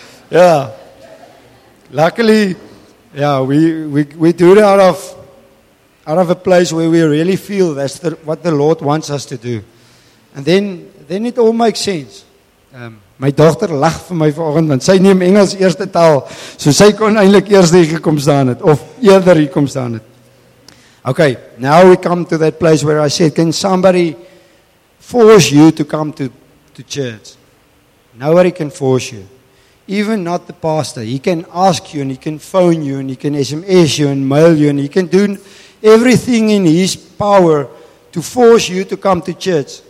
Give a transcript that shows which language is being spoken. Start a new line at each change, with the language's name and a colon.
English: Yeah. Luckily, yeah, we do it out of a place where we really feel that's what the Lord wants us to do. And then it all makes sense.
Afrikaans: My dogter lag vir my vanoggend want sy neem Engels eerste taal. So sy kon eintlik eers hier gekom staan het of eerder hier kom staan het.
English: Okay, now we come to that place where I said, can somebody force you to come to church? Nobody can force you. Even not the pastor. He can ask you and he can phone you and he can SMS you and mail you and he can do everything in his power to force you to come to church.